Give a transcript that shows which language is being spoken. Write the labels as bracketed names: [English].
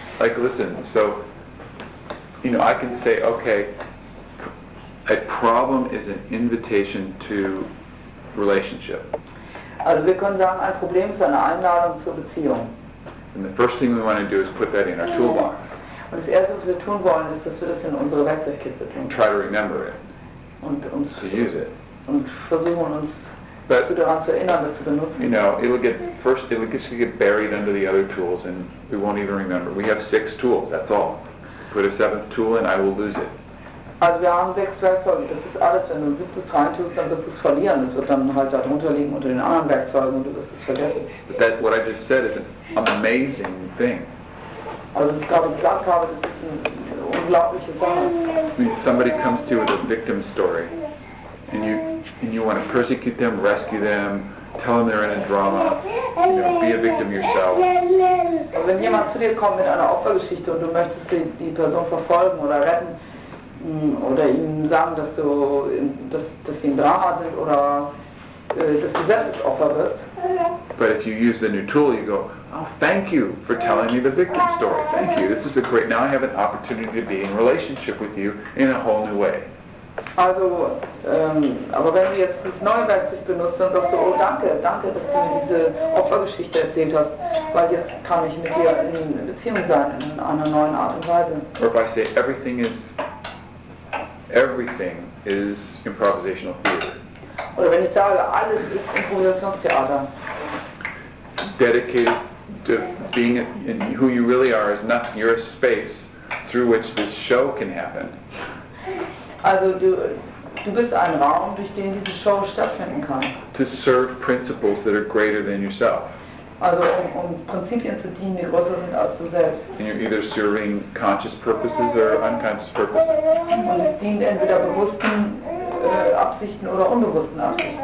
[English] So, you know, I can say, okay, a problem is an invitation to relationship. [German] Also wir können sagen, ein Problem ist eine Einladung zur Beziehung. [English] And the first thing we want to do is put that in our toolbox. [German] Und das Erste, was wir tun wollen, ist, dass wir das in unsere Werkzeugkiste tun. [English] And try to remember it. [German] Und uns [English] to use it. [German] Und versuchen uns But, daran zu erinnern, das zu benutzen. [English] You know, it'll get buried under the other tools and we won't even remember. We have 6 tools, that's all. Put a 7th tool in, I will lose it. [German] Also wir haben 6 Werkzeuge, das ist alles. Wenn du ein 7. reintust, dann wirst du es verlieren. Das wird dann halt da drunter liegen unter den anderen Werkzeugen und du wirst es vergessen. [English] But that, what I just said is an amazing thing. [German] Also ich glaube, gesagt habe, das ist eine unglaubliche Sache. [English] I mean, somebody comes to you with a victim story and you want to persecute them, rescue them, tell them they're in a drama, you know, be a victim yourself. [German] Also wenn jemand zu dir kommt mit einer Opfergeschichte und du möchtest die Person verfolgen oder retten, oder ihm sagen, dass sie im Drama sind oder dass du selbst das Opfer wirst. [English] But if you use the new tool, you go, oh, thank you for telling me the victim story. Thank you. This is a great, now I have an opportunity to be in relationship with you in a whole new way. [German] Also, aber wenn du jetzt das neue Werkzeug benutzt, dann sagst du, oh danke, dass du mir diese Opfergeschichte erzählt hast, weil jetzt kann ich mit dir in Beziehung sein, in einer neuen Art und Weise. [English] Or if I say, everything is improvisational theater. [German] Oder wenn ich sage, alles ist Improvisationstheater. [English] Dedicated to being in who you really are is not your space through which this show can happen. [German] Also du bist ein Raum, durch den diese Show stattfinden kann. [English] To serve principles that are greater than yourself. [German] Also um Prinzipien zu dienen, die größer sind als du selbst. [English] And you're either serving conscious purposes or unconscious purposes. [German] Und es dient entweder bewussten Absichten oder unbewussten Absichten.